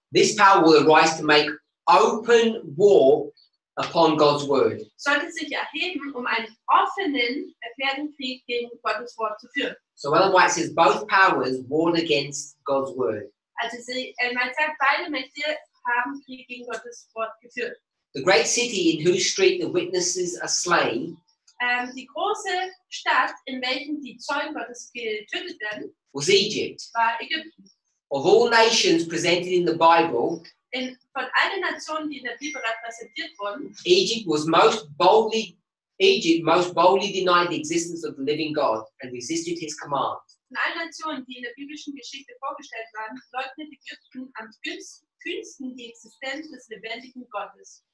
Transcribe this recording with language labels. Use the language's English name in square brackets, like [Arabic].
[English] this power will arise to make open war upon God's word. [German] Sollte sich erheben, um einen offenen Erfährungskrieg gegen Gottes Wort zu führen. [English] So Ellen White says both powers warn against God's word. [German] Also Ellen White sagt, beide Mächte haben Krieg gegen Gottes Wort geführt. [English] The great city in whose street the witnesses are slain. [German] Die große Stadt, in welchen die Zeugen Gottes getötet werden. [English] Was Egypt. [German] War Ägypten. [English] Of all nations presented in the Bible. [German] Von allen Nationen, die in der Bibel repräsentiert wurden. [English] Egypt most boldly denied the existence of the living God and resisted his command. [German] Von allen Nationen, die in der biblischen Geschichte vorgestellt waren, leugnete Ägypten am kühnsten die Existenz des lebendigen Gottes.